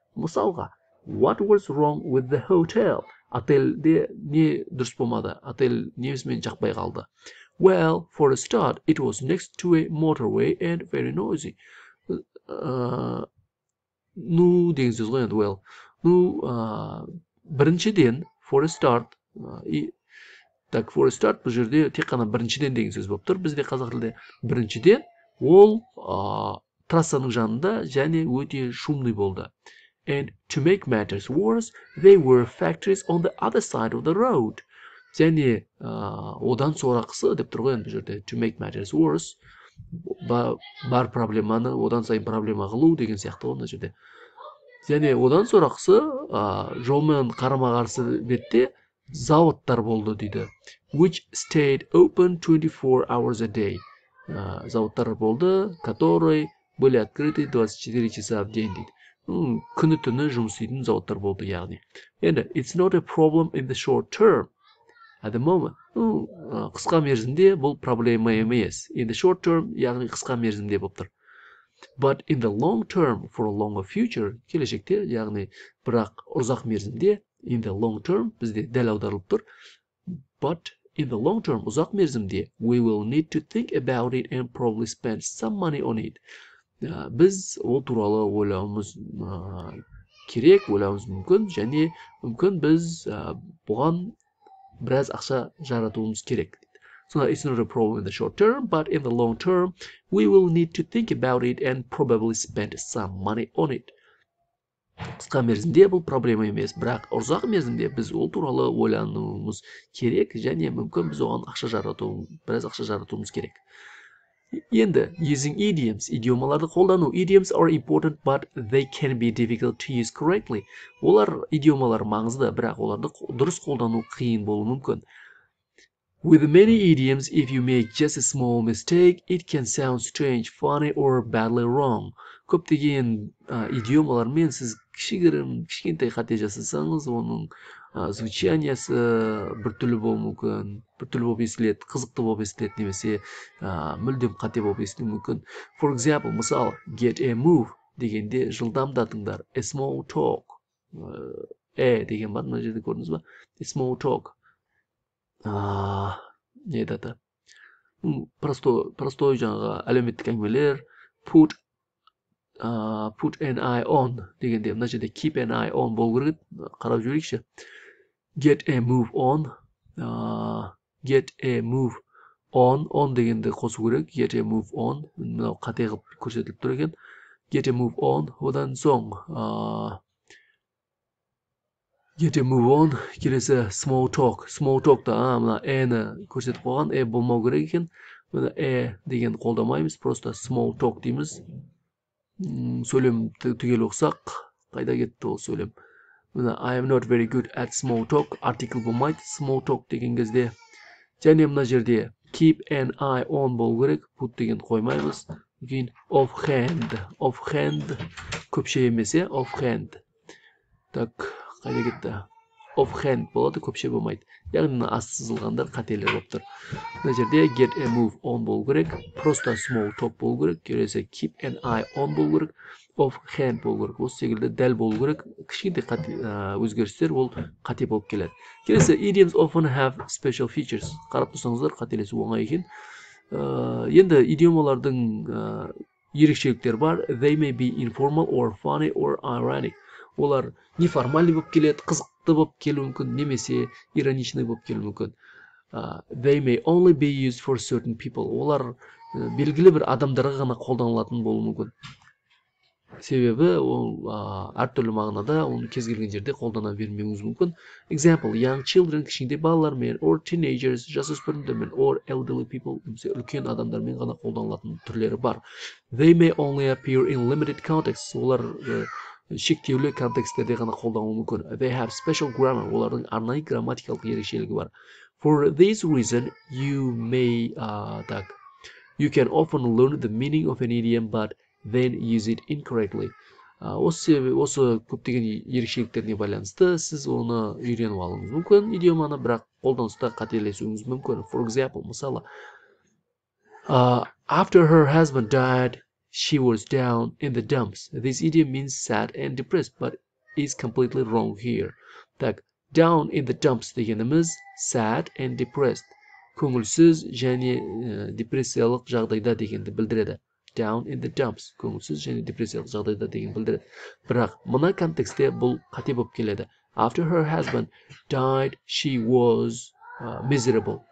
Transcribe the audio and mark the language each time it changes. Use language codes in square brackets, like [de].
[kk] Мысалға, [en] what was wrong with the hotel? [kk] Отельде не дұрыс болмады? Отель несімен жақпай қалды? [en] Well, for a start, it was next to a motorway and very noisy. [kk] Ну, деген сөз ғой, [en] well. [kk] Ну, біріншіден, [en] for a start, [kk] так, for a start, бұл жерде тек қана біріншіден деген сөз болып тұр. Бізде қазақ тілде біріншіден, ол трассаның жанында және өте шумный болды. [en] And to make matters worse, they were factories on the other side of the road. [kk] Және одан сорақысы деп тұр ғой енді жерде. [en] To make matters worse. [kk] Бар проблеманы одан сайын проблема қылу деген сияқты ғой мына жерде. Және одан сорақысы жолмен қарама-қарсы бетте зауыттар болды дейді. [en] Which stayed open 24 hours a day. [kk] Зауыттар болды, [ru] которые были открыты 24 часа в день дейді. [kk] Күні-түні жұмыс істейтін зауыттар болды яғни. [en] Енді, it's not a problem in the short term. At the moment, [kk] қысқа мерзімде бұл проблема емес. [en] In the short term, [kk] яғни қысқа мерзімде болып тұр. [en] But in the long term, for a longer future, [kk] келешекте, яғни бірақ ұзақ мерзімде, [en] in the long term, [kk] бізде дәл аударылып тұр. [en] But in the long term, [kk] ұзақ мерзімде, [en] we will need to think about it and probably spend some money on it. [kk] Біз ол туралы ойлауымыз керек, ойлауымыз мүмкін, және мүмкін біз бұған біраз ақша жаратуымыз керек. [en] So it's not a problem in the short term, but in the long term, we will need to think about it and probably spend some money on it. [kk] Қысқа мерзімде бұл проблема емес, бірақ ұзақ мерзімде біз ол туралы ойлануымыз керек, және мүмкін біз оған біраз ақша жаратуымыз керек. Енді, [en] using idioms, [kk] идиомаларды қолдану. [en] Idioms are important, but they can be difficult to use correctly. [kk] Олар идиомалар маңызды, бірақ оларды дұрыс қолдану қиын болуы мүмкін. [en] With many idioms, if you make just a small mistake, it can sound strange, funny, or badly wrong. [kk] Көптеген идиомалармен сіз кішкентай қате жасасаңыз, оның звучаниесі біртүрлі болуы мүмкін, біртүрлі болып естіледі, қызықты болып естіледі, немесе мүлдем қате болып естілуі мүмкін. [en] For example, мысал, get a move [kk] дегенде жылдамдатыңдар, [en] a small talk. [kk] Деген бар, мына жерде көрдіңіз ба? [en] A small talk. Не дата? [kk] Простой жаңағы әлеуметтік әңгімелер, [en] put an eye on [kk] дегенде, мына жерде [en] keep an eye on [kk] болу керек, қарап жіберейікші. [en] Get a move on. Get a move on. [kk] On дегенде қосу керек. [en] Get a move on. [kk] Мынау қате қылып көрсетіліп тұр екен. [en] Get a move on. [kk] Одан соң. [en] Get a move on. [kk] Келесі small talk. Small talk да, мына A-ны көрсетіп қойған. A болмау керек екен. Мына A деген қолдамаймыз. Просто small talk дейміз. Сөйлем түгел оқсақ, қайда кетті ол сөйлем? [en] Мына I am not very good at small talk. [kk] Article болмайды. Small talk деген кезде. Және мына жерде [en] keep an eye on [kk] болу керек. Put деген қоймаймыз. Кейін offhand. Offhand көпше емес, offhand. Так, қайда кетті? Offhand болады, көпше болмайды. Яғни аз сызылғандар қателер болып тұр. Мына жерде [en] get a move on [kk] болу керек, просто small talk болу керек, келесі [en] keep an eye on [kk] болу керек, offhand болу керек. Осы секілді дәл болу керек. Кішкентай өзгерістер ол қате болып келеді. [en] Келесі idioms often have special features. [kk] Қарап тұрсаңыздар, қателесу оңай екен. Енді идиомалардың ерекшеліктер бар. [en] They may be informal or funny or ironic. [kk] Олар неформальный болып келеді, қызықты болып келуі мүмкін, немесе ироничный болып келуі мүмкін. [en] They may only be used for certain people. [kk] Олар белгілі бір адамдарға ғана қолданылатын болуы мүмкін. Себебі ол әртүрлі мағынада оны кез келген жерде қолдана бермеуіңіз мүмкін. [en] Example, young children, [kk] кішкентай балалар мен, [en] or teenagers, [kk] жасөспірімдер мен, [en] or elderly people, [kk] немесе үлкен адамдармен ғана қолданылатын түрлері бар. [en] They may only appear in limited contexts. [kk] Олар шектеулі контексттерде ғана қолданылуы мүмкін. [en] They have special grammar. [kk] Олардың арнайы грамматикалық ерекшелігі бар. [en] For this reason, you can often learn the meaning of an idiom, but then use it incorrectly. [kk] Осы көптеген ерекшеліктеріне байланысты, сіз оны үйреніп алуыңыз мүмкін, идиоманы, бірақ қолданыста қателесуіңіз мүмкін. [en] For example, мысалы, after her husband died, she was down in the dumps. This idiom means sad and depressed, but is completely wrong here. Так, down in the dumps дегеніміз sad and depressed. [kk] Көңілсіз және депрессиялық жағдайда дегенді білдіреді. [en] Down in the dumps. [kk] Көңілсіз және депрессиялық жағдайда деген білдіреді. Бірақ мына контексте бұл қате болып келеді. [en] After her husband died, she was miserable.